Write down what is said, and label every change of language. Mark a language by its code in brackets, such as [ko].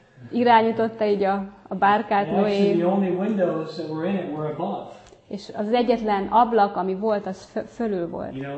[hu] Irányította így a bárkát Noé. [en] The only windows that were in it were above. [hu] és az egyetlen ablak, ami volt, az fölül volt.